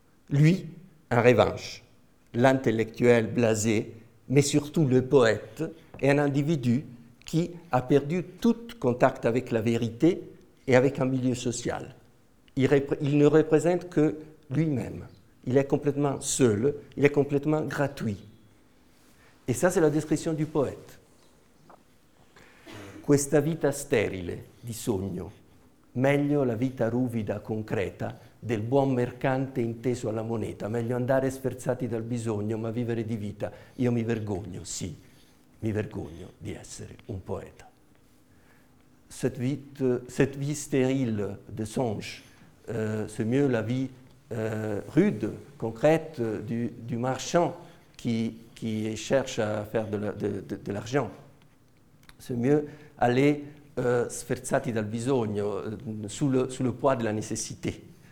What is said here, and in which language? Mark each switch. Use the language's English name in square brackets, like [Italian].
[French] Lui, en revanche, l'intellectuel blasé, mais surtout le poète, est un individu qui a perdu tout contact avec la vérité et avec un milieu social. Il ne représente que lui-même. Il est complètement seul, il est complètement gratuit. Et ça, c'est la description du poète. [Italian] Questa vita sterile di sogno, meglio la vita ruvida concreta del buon mercante inteso alla moneta, meglio andare sferzati dal bisogno, ma vivere di vita. Io mi vergogno, sì, mi vergogno di essere un poeta. [French] Cette vie stérile de songe, c'est mieux la vie rude, concrète du marchand qui cherche à faire de l'argent. C'est mieux aller [Italian] sferzati dal bisogno, [French] sous le poids de la nécessité.